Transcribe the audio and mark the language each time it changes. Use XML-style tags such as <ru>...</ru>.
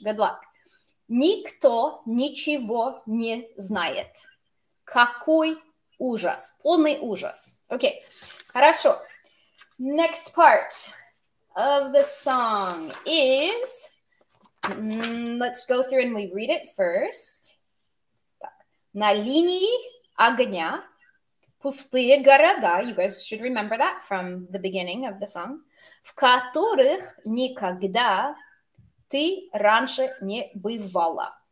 <en>Good luck.</en> <ru>Никто ничего не знает. Какой ужас. Полный ужас. Okay. Хорошо.</ru> <en>Next part of the song is... let's go through and we read it first.</en> <ru>Так. На линии огня пустые города.</ru> <en>You guys should remember that from the beginning of the song.</en> <ru>В которых никогда ты раньше не бывала.</ru>